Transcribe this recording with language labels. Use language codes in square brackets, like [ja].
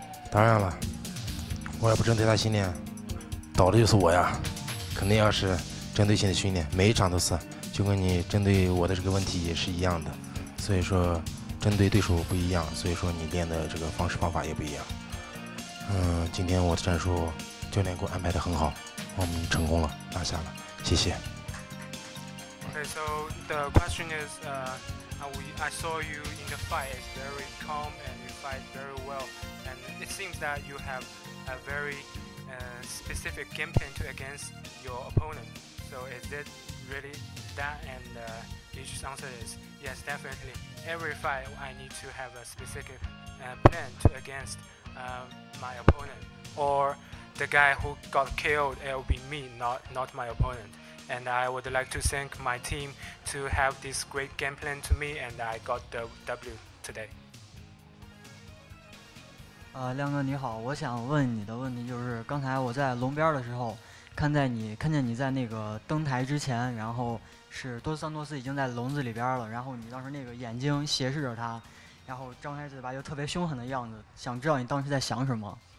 [zh] 当然了，我也不针对他训练，倒的就是我呀，肯定要是针对性的训练，每一场都是，就跟你针对我的这个问题也是一样的，所以说针对对手不一样，所以说你练的这个方式方法也不一样。今天我的战术教练给我安排得很好，我们成功了，拿下了，谢谢。 [en] Okay, so the question is, I saw you in the fight is very calm and you fight very well. And it seems that you have a very specific game plan to against your opponent. So is it really that? And his answer is yes, definitely. Every fight, I need to have a specific plan to against my opponent. Or the guy who got killed, it will be me, not my opponent. And I would like to thank my team to have this great game plan to me, and I got the W today. [zh] 亮哥你好，我想问你的问题就是，刚才我在龙边的时候，看见你在那个登台之前，然后是多斯桑托斯已经在笼子里边了，然后你当时那个眼睛斜视着他，然后张开嘴巴又特别凶狠的样子，想知道你当时在想什么？